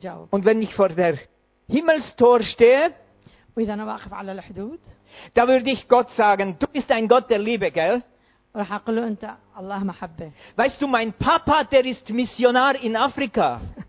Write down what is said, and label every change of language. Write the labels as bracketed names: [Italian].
[German] Und wenn ich vor der Himmelstor stehe, da würde ich Gott sagen, du bist ein Gott der Liebe, gell? [Arabic] راح أقول له أنت الله محبة. [German] Weißt du, mein Papa, der ist Missionar in Afrika.